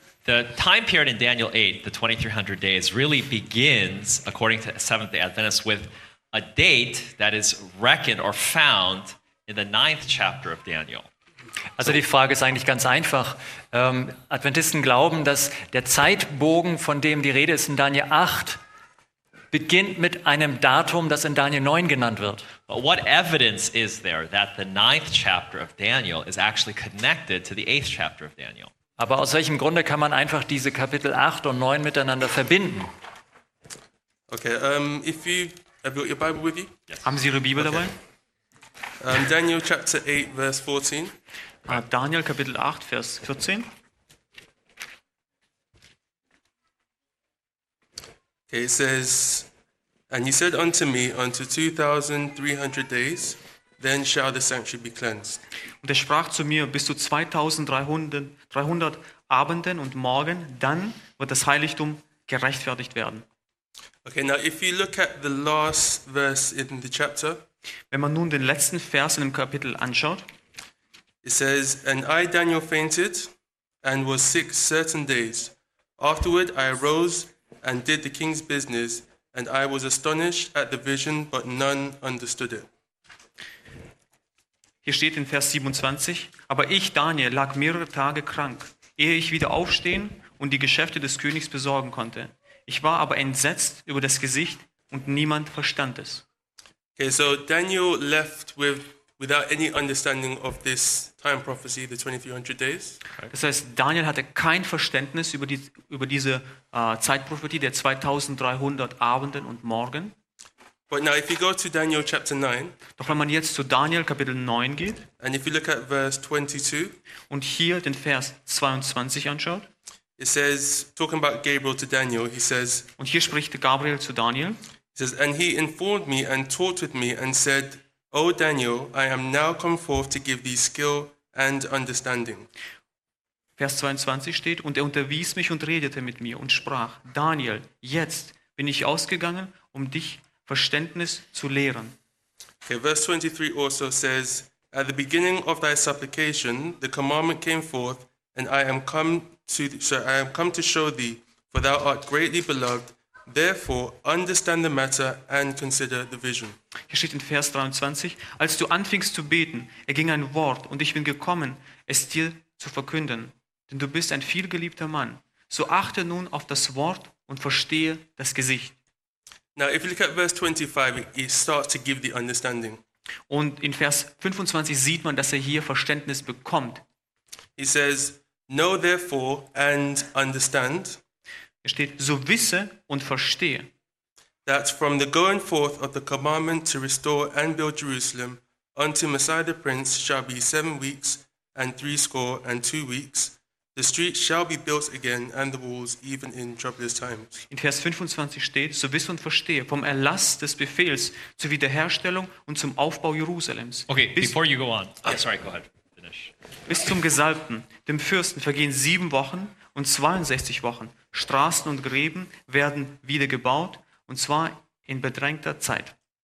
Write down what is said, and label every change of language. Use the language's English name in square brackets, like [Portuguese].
[English] The time period in Daniel 8, the 2300 days, really begins, according to Seventh-day Adventists, with a date that is reckoned or found in the 9th chapter of Daniel. [German] Also die Frage ist eigentlich ganz einfach. Adventisten glauben, dass der Zeitbogen, von dem die Rede ist in Daniel 8, beginnt mit einem Datum, das in Daniel 9 genannt wird. [English] But what evidence is there that the 9th chapter of Daniel is actually connected to the 8th chapter of Daniel? [German] Aber aus welchem Grunde kann man einfach diese Kapitel 8 und 9 miteinander verbinden? [English] Okay, have you got your Bible with you? [German] Yes. Haben Sie Ihre Bibel dabei? [English] Daniel chapter 8 verse 14. [German] Daniel Kapitel 8 Vers 14. [English] Okay, it says, and you said unto me, unto 2300 days, then shall the sanctuary be cleansed. [German] Und er sprach zu mir, bis zu 2300 Abenden und Morgen, dann wird das Heiligtum gerechtfertigt werden. [English] Okay, now if you look at the last verse in the chapter, [German] wenn man nun den letzten Vers in dem Kapitel anschaut, [English] it says, and I, Daniel, fainted, and was sick certain days. Afterward, I arose and did the king's business, and I was astonished at the vision, but none understood it. [German] Hier steht in Vers 27, aber ich, Daniel, lag mehrere Tage krank, ehe ich wieder aufstehen und die Geschäfte des Königs besorgen konnte. Ich war aber entsetzt über das Gesicht und niemand verstand es. [English] Okay, so Daniel left without any understanding of this time prophecy, the 2300 days. [German] Das heißt, Daniel hatte kein Verständnis über diese Zeitprophetie der 2300 Abenden und Morgen. [English] But now if you go to Daniel chapter 9, [German] doch wenn man jetzt zu Daniel Kapitel 9 geht, [English] and if you look at verse 22, [German] und hier den Vers 22 anschaut, [English] it says, talking about Gabriel to Daniel, he says, [German] und hier spricht Gabriel zu Daniel, [English] he says, and he informed me and talked with me and said, O Daniel, I am now come forth to give thee skill and understanding. [German] Vers 22 steht, und er unterwies mich und redete mit mir und sprach, Daniel, jetzt bin ich ausgegangen, um dich Verständnis zu lehren. [English] Okay, verse 23 also says, at the beginning of thy supplication, the commandment came forth, and I am come to show thee, for thou art greatly beloved. Therefore, understand the matter and consider the vision. [German] Hier steht in Vers 23, als du anfingst zu beten, erging ein Wort, und ich bin gekommen, es dir zu verkünden. Denn du bist ein vielgeliebter Mann. So achte nun auf das Wort und verstehe das Gesicht. [English] Now, if you look at verse 25, he starts to give the understanding. [German] Und in Vers 25 sieht man, dass hier Verständnis bekommt. [English] He says, know therefore and understand. [German] Es steht, so wisse und verstehe. [English] That from the going forth of the commandment to restore and build Jerusalem unto Messiah the Prince shall be 7 weeks and 80 days. The street shall be built again and the walls even in troublous times. [German] In Vers 25 steht, so wisse und verstehe, vom Erlass des Befehls zur Wiederherstellung und zum Aufbau Jerusalems. [English] Okay, before you go on. Yeah, sorry, go ahead. Finish. [German] Bis zum Gesalbten, dem Fürsten, vergehen 7 Wochen und 62 Wochen. Straßen und Gräben werden wieder gebaut und zwar in bedrängter Zeit.